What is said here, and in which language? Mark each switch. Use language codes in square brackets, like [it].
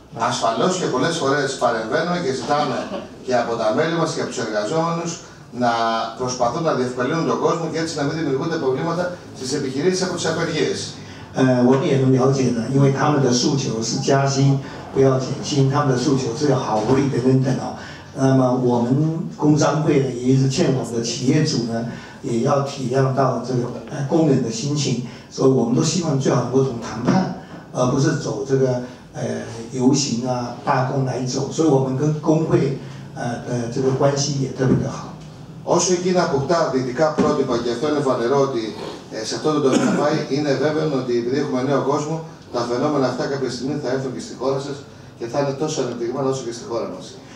[el] Ασφαλώς και πολλές φορές παρεμβαίνω και ζητάμε και από τα μέλη μας και από τους εργαζόμενους να προσπαθούν να διευκολύνουν τον κόσμο και έτσι να μην δημιουργούνται προβλήματα στις επιχειρήσεις από τις απεργίες. Εγώ [zh] 也能了解呢，因为他们的诉求是加薪，不要减薪，他们的诉求是要好福利等等等等。那么我们工商会呢，也是劝我们的企业主呢，也要体谅到这个工人的心情，所以我们都希望最好能够从谈判，而不是走这个。游行啊，罢工来走，所以我们跟工会的这个关系也特别的好。 [el] Όσο η Κίνα αποκτά δυτικά πρότυπα, και αυτό είναι φανερό ότι σε αυτό το τομέα πάει, είναι βέβαιο ότι επειδή έχουμε νέο κόσμο, τα φαινόμενα αυτά κάποια στιγμή θα έρθουν και στη χώρα σας και θα είναι τόσο ανεπτυγμένα όσο και στη χώρα μας.